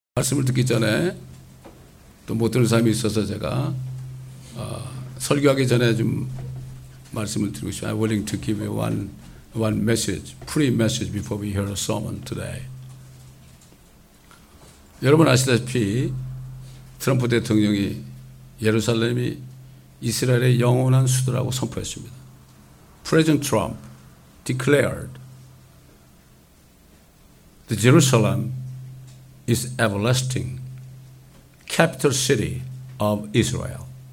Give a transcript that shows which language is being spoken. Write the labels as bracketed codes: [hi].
[ko] 말씀을 듣기 전에 또 못 들은 사람이 있어서 제가 설교하기 전에 좀 말씀을 드리고 싶어요. [en] I'm willing to give you one message, pre-message before we hear a sermon today. [ko] 여러분 아시다시피 트럼프 대통령이 예루살렘이 이스라엘의 영원한 수도라고 선포했습니다. [en] President Trump declared the Jerusalem is everlasting capital city of Israel.